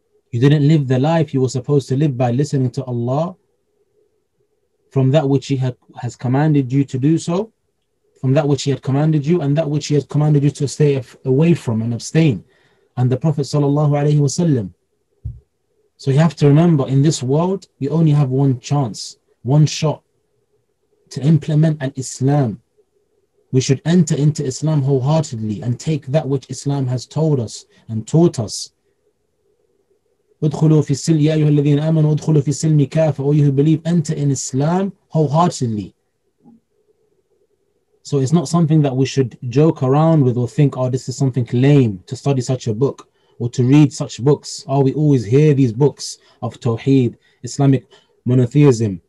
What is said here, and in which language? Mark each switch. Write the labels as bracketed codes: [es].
[en] You didn't live the life you were supposed to live by listening to Allah from that which He has commanded you to do so, from that which He had commanded you, and that which He has commanded you to stay away from and abstain, and the Prophet Sallallahu Alaihi Wasallam. So you have to remember, in this world, you only have one chance, one shot to implement al-Islam. We should enter into Islam wholeheartedly and take that which Islam has told us and taught us. [ar] ادخلوا في السلم يا أيها الذين آمنوا ادخلوا في السلم كافة. [en] Or you who believe, enter in Islam wholeheartedly. So it's not something that we should joke around with or think, oh, this is something lame to study such a book or to read such books. Oh, we always hear these books of Tawheed, Islamic monotheism.